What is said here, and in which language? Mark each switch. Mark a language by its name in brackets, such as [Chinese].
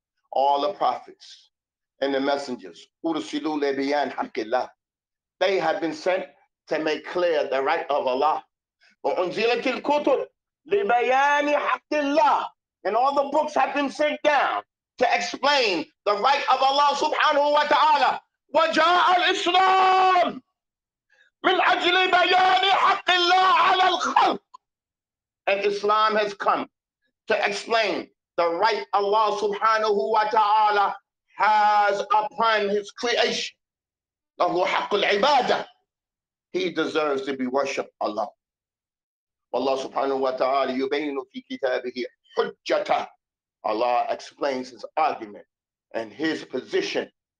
[English] All the prophets and the messengers, [Arabic] أُرْسِلُوا لِبِيَانِ حَقِّ اللَّهِ. [English] They have been sent to make clear the right of Allah. [Arabic] وَأُنْزِلَتِ الْكُتُبُ لِبَيَانِ حَقِّ اللَّهِ. [English] And all the books have been sent down to explain the right of Allah subhanahu wa ta'ala. [Arabic] وجاء الإسلام من أجل بيان حق الله على الخلق. [English] And Islam has come to explain the right Allah subhanahu wa ta'ala has upon his creation. [Arabic] له حق العبادة. [English] He deserves to be worshipped Allah. [Arabic] والله سبحانه وتعالى يبين في كتابه حجته. [English] Allah explains his argument and his position.